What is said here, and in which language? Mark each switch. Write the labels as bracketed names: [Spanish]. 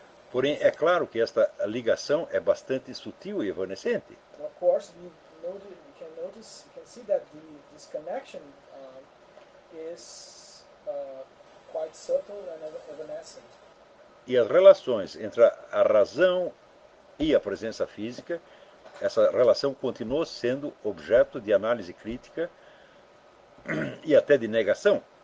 [Portuguese] Porém, é claro que esta ligação é bastante sutil e evanescente. [English] And of course, we can see that this connection is quite subtle and evanescent. [Portuguese] E as relações entre a razão e a presença física, essa relação continuou sendo objeto de análise crítica e até de negação.